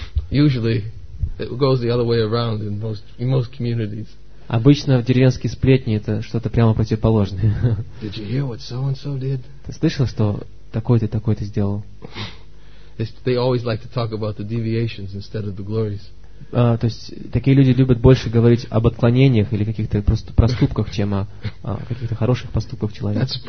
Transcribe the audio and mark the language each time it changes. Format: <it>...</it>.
<en>Usually it goes the other way around in most communities.</en> <ru>Обычно в деревенские сплетни это что-то прямо противоположное.</ru> <en>Did you hear what so-and-so did?</en> <ru>Ты слышал, что такой-то сделал?</ru> <en>They always like to talk about the deviations instead of the glories.</en> <ru>То есть такие люди любят больше говорить об отклонениях или каких-то проступках, чем о каких-то хороших поступках человека.</ru>